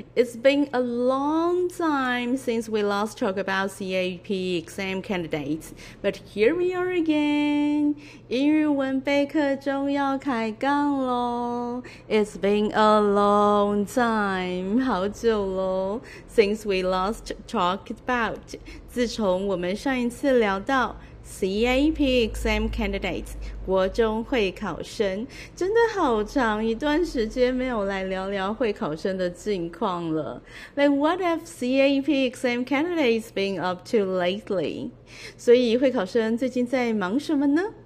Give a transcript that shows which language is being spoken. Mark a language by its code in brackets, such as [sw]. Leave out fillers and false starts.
[en] It's been a long time since we last talked about CAP exam candidates, but here we are again. [zh] 英语文备课终于要开杠喽. [en] It's been a long time. [zh] 好久喽. [en] Since we last talked about. [zh] 自从我们上一次聊到 [en] CAP exam candidates [zh] 国中会考生，真的好长一段时间没有来聊聊会考生的近况了。 [en] Like what have CAP exam candidates been up to lately？ [zh] 所以会考生最近在忙什么呢？